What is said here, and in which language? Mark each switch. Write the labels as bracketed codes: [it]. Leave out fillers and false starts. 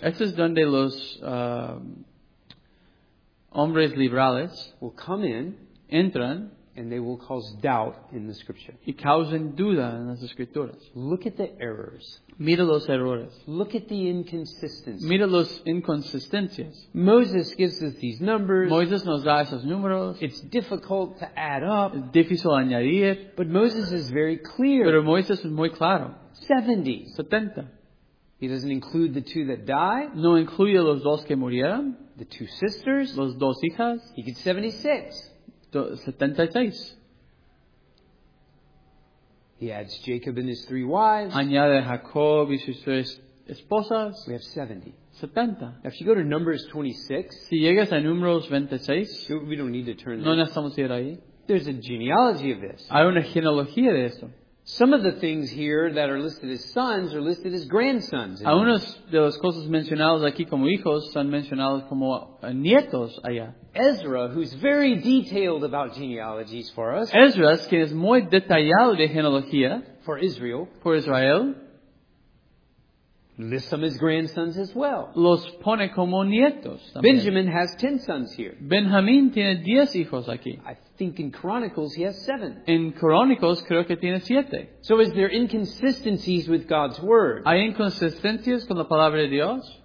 [es] Esto es donde los hombres liberales. [en] Will come in. [es] Entran. [en] And they will cause doubt in the scripture. [es] Y causan duda en las escrituras. [en] Look at the errors. [es] Mira los errores. [en] Look at the inconsistencies. [es] Mira los inconsistencias. [en] Moses gives us these numbers. [es] Moisés nos da esos números. [en] It's difficult to add up. [es] Difícil añadir. [en] But Moses is very clear. [es] Pero Moisés es muy claro. [en] 70. [es] 70. [en] He doesn't include the two that die. [es] No incluye los dos que murieron. [en] The two sisters. [es] Los dos hijas. [en] He gets 76. [es] 76. [en] He adds Jacob and his three wives. [es] Añade Jacob y sus tres esposas. [en] We have 70. [es] 70. [en] Now, if you go to Numbers 26. [es] Si llegas a Números 26. [en] We don't need to turn [es] there. No necesitamos ir ahí. [en] There's a genealogy of this. [es] Hay una genealogía de esto. [en] Some of the things here that are listed as sons are listed as grandsons. [es] Algunas de las cosas mencionadas aquí como hijos son mencionadas como nietos allá. [en] Ezra, who's very detailed about genealogies for us. [es] Ezra, quien es muy detallado de genealogía. [en] For Israel. [es] Por Israel. [en] Lists them as grandsons as well. [es] Los pone como nietos. También. [en] Benjamin has 10 sons here. [es] Benjamín tiene 10 hijos aquí. [en] I think in Chronicles he has 7. [es] En Chronicles creo que tiene 7. [en] So is there inconsistencies with God's word? [es] ¿Hay inconsistencias con la palabra de Dios?